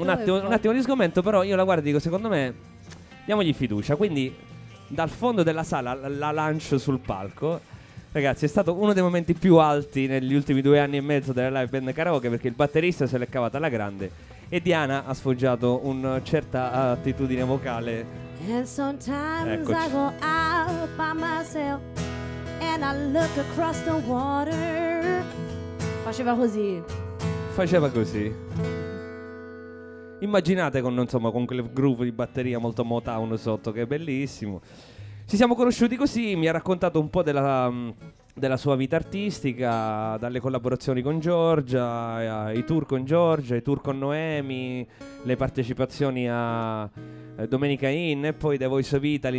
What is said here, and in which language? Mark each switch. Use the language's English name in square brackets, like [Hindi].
[Italian] Un attimo di sgomento, però io la guardo e dico: secondo me, diamogli fiducia. Quindi dal fondo della sala la lancio sul palco. Ragazzi, è stato uno dei momenti più alti negli ultimi 2 anni e mezzo della live band karaoke, perché il batterista se l'è cavata alla grande e Diana ha sfoggiato una certa attitudine vocale. [English] And sometimes, [Italian] eccoci, [English] I go out by myself and I look across the water. [Italian] Faceva così. Immaginate con quel groove di batteria molto Motown sotto, che è bellissimo. Ci siamo conosciuti così, mi ha raccontato un po' della sua vita artistica, dalle collaborazioni con Giorgia, i tour con Giorgia, i tour con Noemi, le partecipazioni a Domenica Inn e poi The Voice of Italy.